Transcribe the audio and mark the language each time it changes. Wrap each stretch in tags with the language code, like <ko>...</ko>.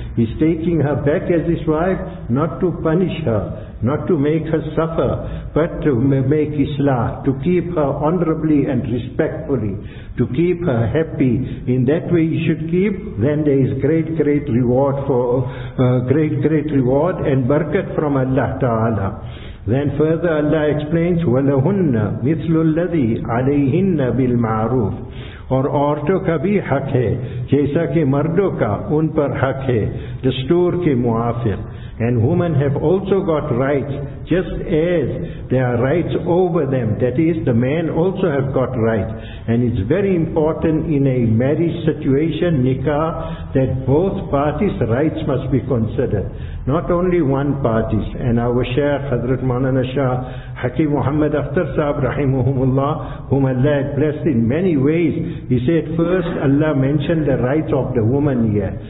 <en>He's taking her back as his wife, not to punish her, not to make her suffer, but to make islah, to keep her honorably and respectfully, to keep her happy. In that way he should keep, then there is great, great reward for, great, great reward and barakat from Allah Ta'ala. Then further Allah explains,</en> <ar>وَلَهُنَّ مِثْلُ الَّذِي عَلَيْهِنَّ بِالْمَعْرُوفِ.</ar> <ur>Or عورتوں کا بھی حق ہے جیسا کہ مردوں کا ان پر حق ہے دستور کے موافق.</ur> <en>And women have also got rights, just as there are rights over them. That is, the man also have got rights. And it's very important in a marriage situation, nikah, that both parties' rights must be considered. Not only one party's. And our Shaykh, Hazrat Maulana Shah, Hakim Muhammad Akhtar Sahib, rahimahumullah, whom Allah had blessed in many ways, he said, first Allah mentioned the rights of the woman here.</en>